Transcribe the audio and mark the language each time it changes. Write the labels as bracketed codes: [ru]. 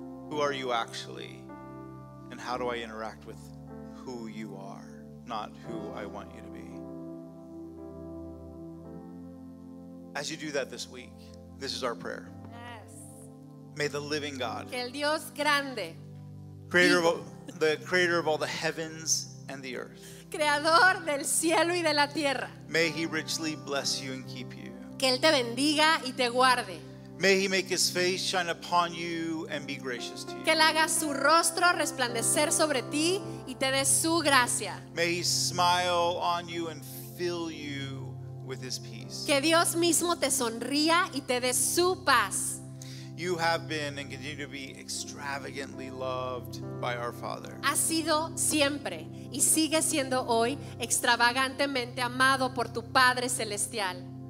[en] Who are you actually? And how do I interact with who you are, not who I want you to be? As you do that this week, this is our prayer. Yes. May the living God, [es] que el Dios grande, [en] creator of all the heavens and the earth. [es] Creador del cielo y de la tierra. [en] May he richly bless you and keep you. [es] Que él te bendiga y te guarde. [en] May he make his face shine upon you and be gracious to you. [es] Que él haga su rostro resplandecer sobre ti y te dé su gracia. [en] May he smile on you and fill you with his peace. [es] Que Dios mismo te sonría y te dé su paz. [en] You have been and continue to be extravagantly loved by our Father. [es] Has sido siempre y sigue siendo hoy extravagantemente amado por tu Padre celestial.